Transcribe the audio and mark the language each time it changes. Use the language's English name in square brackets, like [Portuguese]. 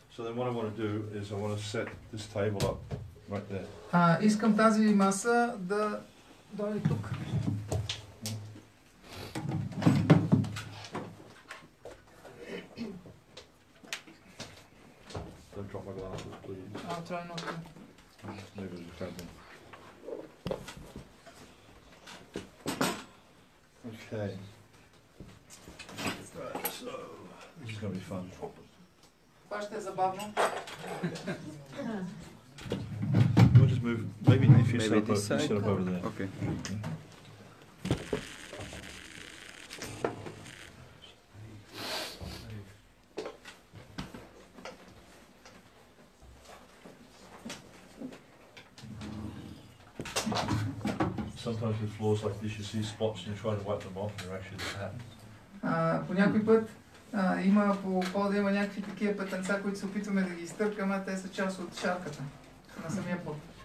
[English] So then what I want to do is I want to set this table up right there. [Bulgarian] Искам тази маса да дойде тук. [English] Don't drop my glasses, please. I'll try not to. Maybe it's a problem. Okay. Right, so this is gonna be fun. We'll just move. Maybe if you maybe set up, this over, set up over there. Okay. Sometimes with floors like this, you see spots and you try to wipe them off, and they're actually just happens. [Bulgarian] Има по пода има някакви такива пътенца, които се опитваме да ги изтъркаме, а те са част от шарката на самия пот.